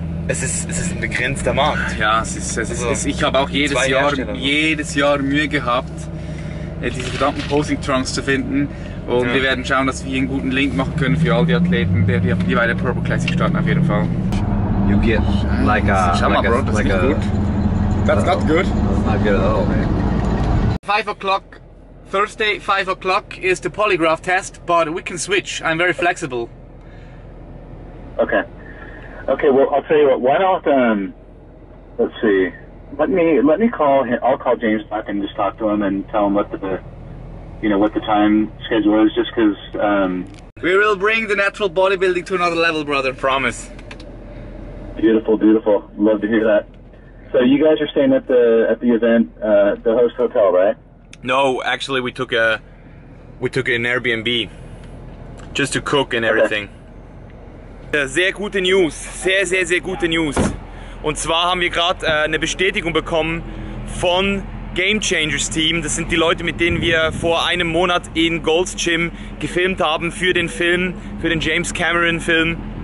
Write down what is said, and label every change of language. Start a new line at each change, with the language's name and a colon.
German: Es ist ein begrenzter Markt. Ja, ich habe auch jedes Jahr Mühe gehabt, diese verdammten Posing Trunks zu finden. Und Wir werden schauen, dass wir einen guten Link machen können für all die Athleten, die bei der die Purple Classic starten, auf jeden Fall.
English: You get like a...
German: Schau mal,
English: like Bro, a,
German: das ist like nicht a, gut.
English: That's not good. That's not good at all, man. 5 o'clock. Thursday, 5 o'clock is the polygraph test, but we can switch. I'm very flexible. Okay. Okay, well, I'll tell you what. Why don't, let's see. Let me call him. I'll call James back and just talk to him and tell him what the time schedule is, just because, We will bring the natural bodybuilding to another level, brother. Promise. Beautiful, beautiful. Love to hear that. So you guys are staying at the event, the host hotel, right? No, actually, we took an Airbnb just to cook and everything. Okay.
German: Sehr gute News, sehr, sehr, sehr gute News. Und zwar haben wir gerade eine Bestätigung bekommen von Game Changers Team. Das sind die Leute, mit denen wir vor einem Monat in Gold's Gym gefilmt haben für den Film, für den James Cameron Film.